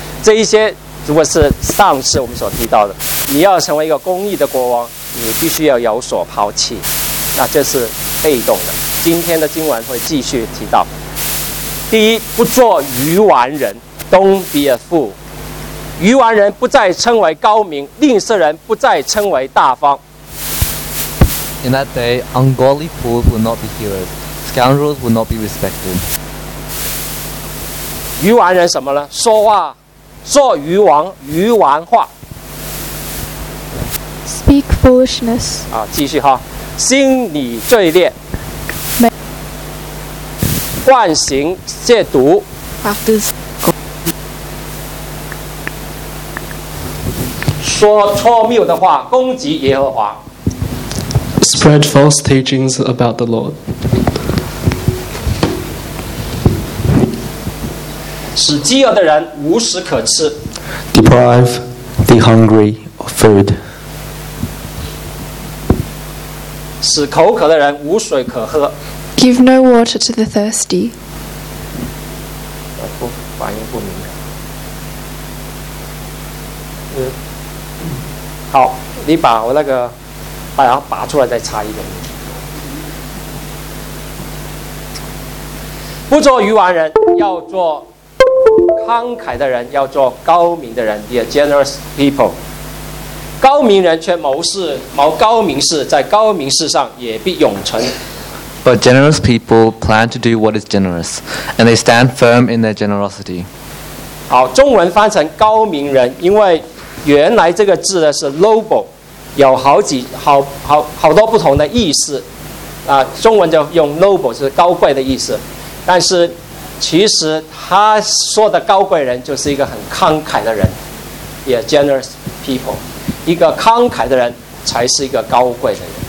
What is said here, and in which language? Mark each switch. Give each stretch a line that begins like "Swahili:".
Chinese: 这一些如果是上次我们所提到的，你要成为一个公义的国王，你必须要有所抛弃，那这是被动的。今天的经文会继续提到，第一，不做愚顽人，
English: Don't be a fool。
Chinese: 愚顽人不再称为高明，吝啬人不再称为大方。
English: In that day, ungodly fools will not be heroes. Scoundrels will not be respected.
Chinese: 愚顽人什么呢？说话，说愚顽，愚顽话。
English: Speak foolishness.
Chinese: 啊，继续哈，心理罪孽。惯行亵渎。说错谬的话，攻击耶和华。
English: Spread false teachings about the Lord.
Chinese: 使饥饿的人无食可吃。
English: Deprive the hungry of food.
Chinese: 使口渴的人无水可喝。
English: Give no water to the thirsty.
Chinese: 反应不明。好，你把我那个把它拔出来再插一点。不做愚顽人，要做慷慨的人，要做高明的人，
English: be a generous people。
Chinese: 高明人却谋事，谋高明事，在高明事上也必永存。
English: But generous people plan to do what is generous, and they stand firm in their generosity.
Chinese: 好，中文翻成高明人，因为原来这个字呢是 noble，有好几好好好多不同的意思，啊，中文就用 noble 是高贵的意思，但是其实他说的高贵人就是一个很慷慨的人，也 generous people， 一个慷慨的人才是一个高贵的人。